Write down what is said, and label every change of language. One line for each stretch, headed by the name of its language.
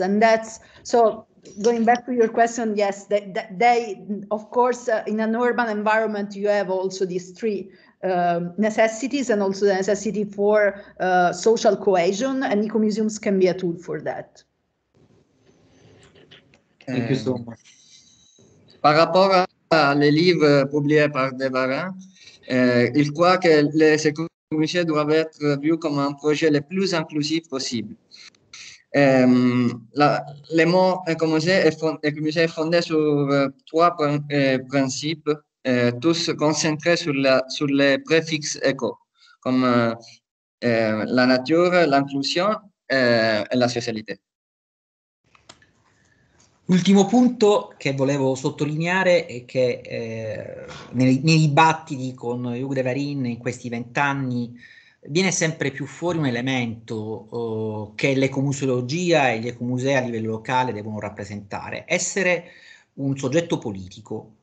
English: And that's, so going back to your question, yes, they of course, in an urban environment, you have also these three necessities, and also the necessity for social cohesion, and ecomuseums can be a tool for that. Thank you so much.
French: Par rapport alle livres publiés par De Varin, il croit que les ecomuseums doivent être vus comme un projet le plus inclusif possible. Le mot ecomusée est fondé sur trois principes. Tous concentrés sur les préfixes éco, comme la nature, l'inclusion et la socialité.
Italian: Ultimo punto che volevo sottolineare è che nei dibattiti con Hugues de Varin in questi vent'anni viene sempre più fuori un elemento che l'ecomuseologia e gli ecomusei a livello locale devono rappresentare: essere un soggetto politico.